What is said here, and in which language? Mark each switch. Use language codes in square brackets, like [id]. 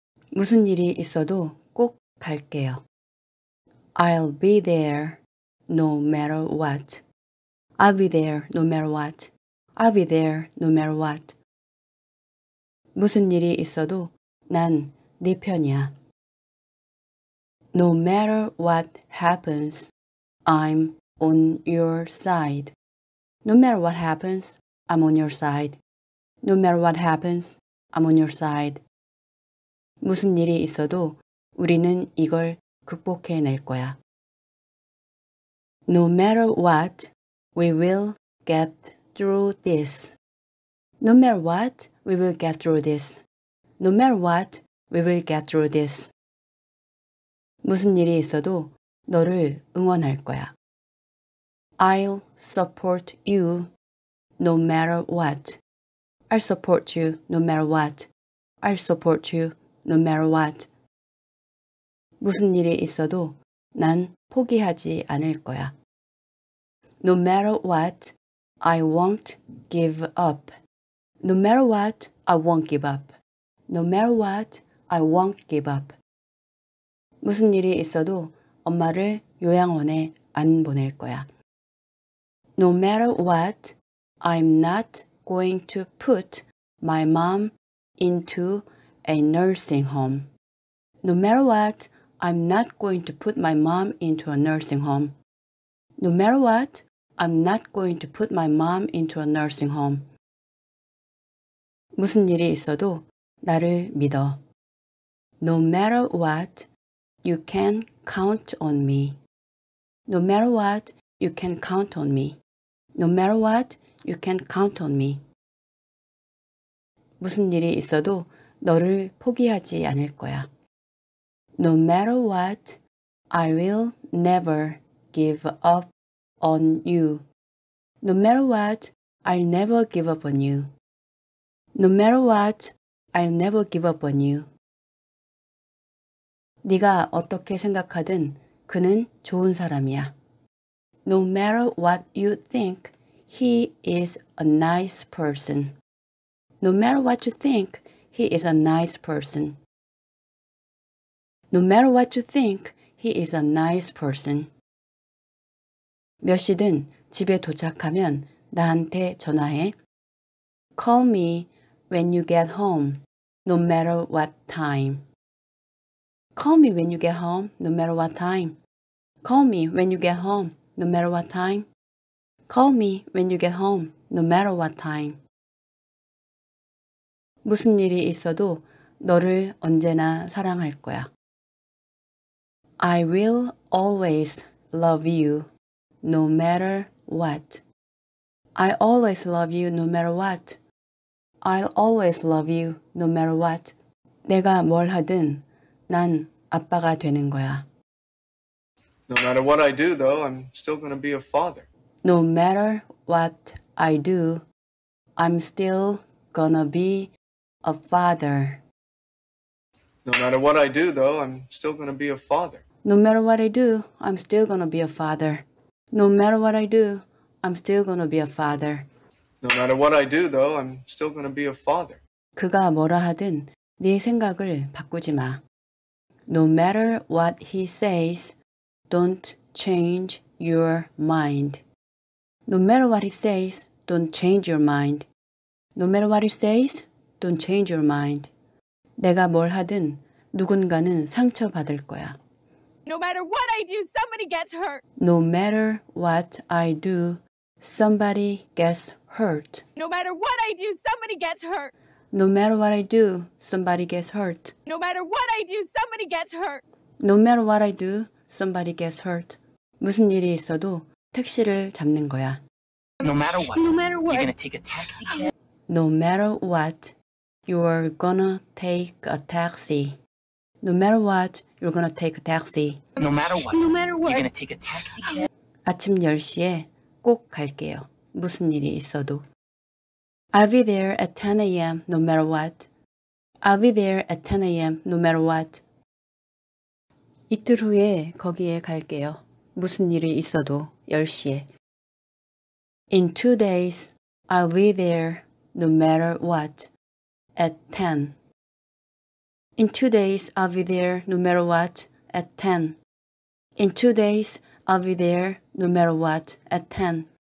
[ko] 무슨 일이 있어도 꼭 갈게요. [en] I'll be there no matter what. I'll be there no matter what. I'll be there no matter what. [ko] 무슨 일이 있어도 난 네 편이야. [en] No matter what happens, I'm on your side. No matter what happens, I'm on your side. No matter what happens, I'm on your side. [ko] 무슨 일이 있어도 우리는 이걸 극복해낼 거야. [en] No matter what, we will get through this. No matter what, we will get through this. No matter what, we will get through this. [ko] 무슨 일이 있어도 너를 응원할 거야. [en] I'll support you no matter what. I'll support you no matter what. I'll support you no matter what. [ko] 무슨 일이 있어도 난 포기하지 않을 거야. [en] No matter what, I won't give up. No matter what, I won't give up. No matter what, I won't give up. [ko] 무슨 일이 있어도 엄마를 요양원에 안 보낼 거야. [en] No matter what, I'm not going to put my mom into a nursing home. No matter what, I'm not going to put my mom into a nursing home. No matter what, I'm not going to put my mom into a nursing home. [ko] 무슨 일이 있어도 나를 믿어. [en] No matter what, you can count on me. No matter what, you can count on me. No matter what, you can count on me. [ko] 무슨 일이 있어도 너를 포기하지 않을 거야. [en] No matter what, I will never give up on you. No matter what, I'll never give up on you. No matter what, I'll never give up on you. [ko] 네가 어떻게 생각하든 그는 좋은 사람이야. [en] No matter what you think, he is a nice person. No matter what you think, he is a nice person. No matter what you think, he is a nice person. [ko] 몇 시든 집에 도착하면 나한테 전화해. [en] Call me when you get home, no matter what time. Call me when you get home, no matter what time. Call me when you get home, no matter what time. Call me when you get home, no matter what time. [ko] 무슨 일이 있어도 너를 언제나 사랑할 거야. [en] I will always love you, no matter what. I always love you, no matter what. I'll always love you, no matter what. [ko] 내가 뭘 하든 난 아빠가 되는 거야. [en] No matter what I do, though, I'm still going to be a father. No matter what I do, I'm still going to be a father. No matter what I do, though, I'm still going to be a father. No matter what I do, I'm still going to be a father. No matter what I do, I'm still going to be a father. No matter what I do, though, I'm still going to be a father. [ko] 그가 뭐라 하든 네 생각을 바꾸지 마. [en] No matter what he says, don't change your mind. No matter what he says, don't change your mind. No matter what he says, don't change your mind. [ko] 내가 뭘 하든 누군가는 상처받을 거야. [en] No matter what I do, somebody gets hurt. No matter what I do, somebody gets hurt. No matter what I do, somebody gets hurt. No matter what I do, somebody gets hurt. No matter what I do, somebody gets hurt. No matter what I do, somebody gets hurt. [ko] 무슨 일이 있어도 택시를 잡는 거야. [en] No matter what. No matter what. You're gonna take a taxi. No matter what, you're gonna take a taxi. No matter what, you're gonna take a taxi. No matter what. No matter what. You're gonna take a taxi. [ko] 아침 10시에 꼭 갈게요. 무슨 일이 있어도. [en] I'll be there at 10 a.m. no matter what. I'll be there at 10 a.m. no matter what. [ko] 이틀 후에 거기에 갈게요. 무슨 일이 있어도 10시에. [en] In 2 days, I'll be there no matter what at 10. In 2 days, I'll be there no matter what at 10. In 2 days, I'll be there no matter what at 10.